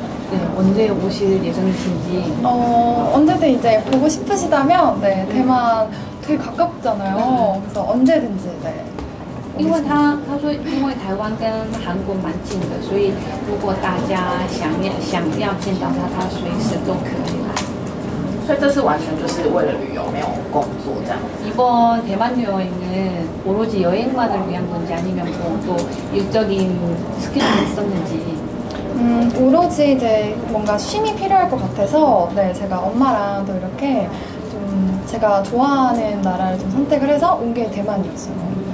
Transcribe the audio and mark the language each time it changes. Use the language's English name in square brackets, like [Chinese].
[Korean] 네, 언제 오실 예정이신지. 언제든 이제 보고 싶으시다면, 네, 대만 되게 가깝잖아요. 그래서 언제든지, 네. [Chinese] 因为他说台湾跟韩国蛮近的，所以如果大家想要见到他，他随时都可以来。所以这次完全就是为了旅游，没有工作这样。 [Korean] 이번 대만 여행은 오로지 여행만을 위한 건지 아니면 뭐 또 일적인 스케줄이 있었는지. 오로지 이제 뭔가 쉼이 필요할 것 같아서 네 제가 엄마랑도 이렇게 좀 제가 좋아하는 나라를 좀 선택을 해서 온 게 대만이었어요.